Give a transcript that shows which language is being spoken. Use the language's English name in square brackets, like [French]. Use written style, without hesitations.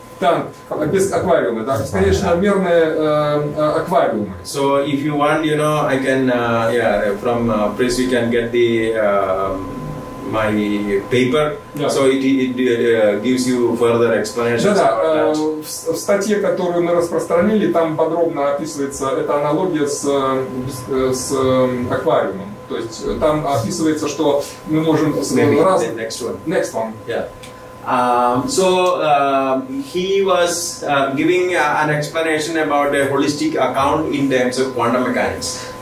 [Russian] Там без аквариума, да, конечно, мерные аквариумы. [English] So if you want, you know, I can from press you can get the my paper. Yeah. So it gives you further explanations. [Russian] Да-да, в статье, которую мы распространили, там подробно описывается эта аналогия с аквариумом. То есть там описывается, что мы можем [English] раз. Next one. Yeah. He was giving an explanation about a holistic account in terms of quantum mechanics.